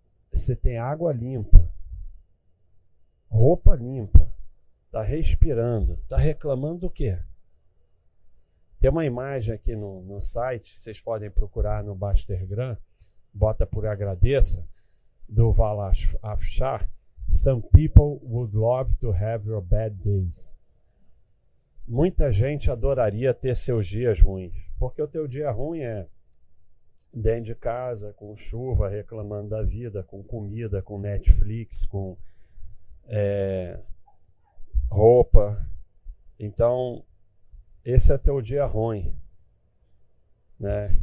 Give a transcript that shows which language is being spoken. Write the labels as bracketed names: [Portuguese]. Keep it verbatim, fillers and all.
[Portuguese] Você tem água limpa. Roupa limpa, tá respirando, tá reclamando do quê? Tem uma imagem aqui no, no site, vocês podem procurar no Bastergram, bota por agradeça, do Valash Afshar. [English] Some people would love to have your bad days. [Portuguese] Muita gente adoraria ter seus dias ruins, porque o teu dia ruim é dentro de casa, com chuva, reclamando da vida, com comida, com Netflix, com é, roupa. Então, esse é teu dia ruim, né?